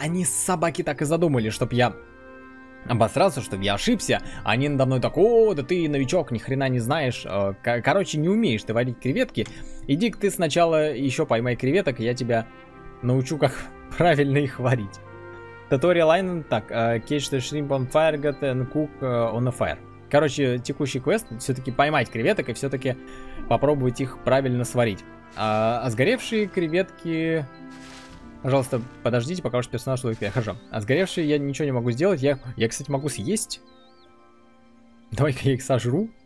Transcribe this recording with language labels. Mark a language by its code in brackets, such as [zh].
[ru] Они с собаки так и задумали, чтоб я обосрался, чтоб я ошибся. Они надо мной так: о, да ты новичок, ни хрена не знаешь. Короче, не умеешь ты варить креветки. Иди-ка ты сначала еще поймай креветок, я тебя научу, как правильно их варить. [en] Tutorial line, [ru] так, [en] catch the shrimp on fire, get and cook on a fire. [ru] Короче, текущий квест, все-таки поймать креветок и все-таки попробовать их правильно сварить. А сгоревшие креветки... Пожалуйста, подождите, пока ваш персонаж ловит, я хожу. А сгоревшие я ничего не могу сделать, я кстати, могу съесть. Давай-ка я их сожру.